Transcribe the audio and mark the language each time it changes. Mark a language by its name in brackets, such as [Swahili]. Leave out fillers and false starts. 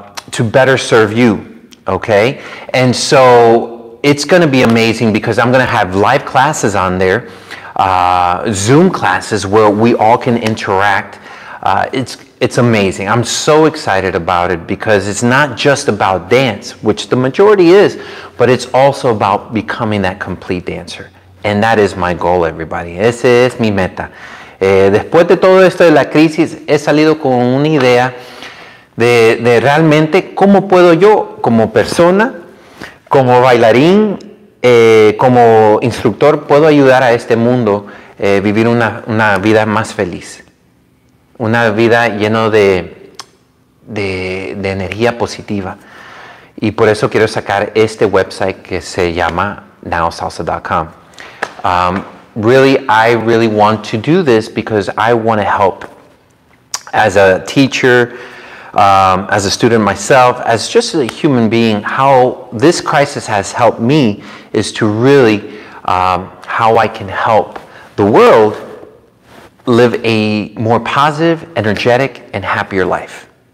[English] To better serve you, okay? And so it's going to be amazing because I'm going to have live classes on there, Zoom classes where we all can interact. It's amazing. I'm so excited about it because it's not just about dance, which the majority is, but it's also about becoming that complete dancer. And that is my goal, everybody. [Spanish] Ese es mi meta. Después de todo esto de la crisis, he salido con una idea de realmente cómo puedo yo, como persona, como bailarín, como instructor, puedo ayudar a este mundo a vivir una vida más feliz. Una vida llena de energía positiva. Y por eso quiero sacar este website que se llama nowsalsa.com. [English] I really want to do this because I want to help as a teacher, as a student myself, as just a human being, how this crisis has helped me is to really how I can help the world live a more positive, energetic, and happier life.